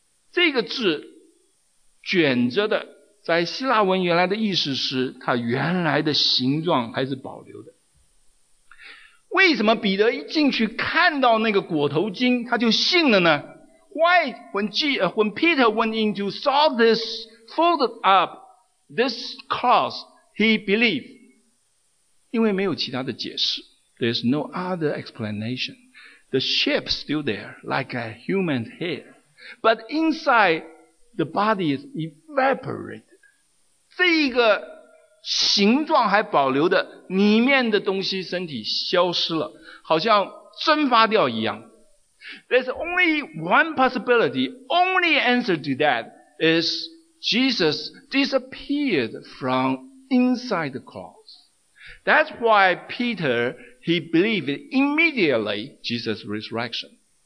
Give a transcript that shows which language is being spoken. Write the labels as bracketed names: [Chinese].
[Chinese] 这个字卷着的在希腊文原来的意思是它原来的形状还是保留的。为什么彼得一进去看到那个裹头巾他就信了呢？ [English] Why when Peter went in to saw this folded up this cloth he believed? [Chinese] 因为没有其他的解释。 [English] There's no other explanation. The shape still there like a human hair. But inside the body is evaporated. [Chinese] 这一个形状还保留的里面的东西身体消失了，好像蒸发掉一样。 [English] There's only one possibility, only answer to that is Jesus disappeared from inside the cross. That's why Peter, he believed immediately Jesus' resurrection.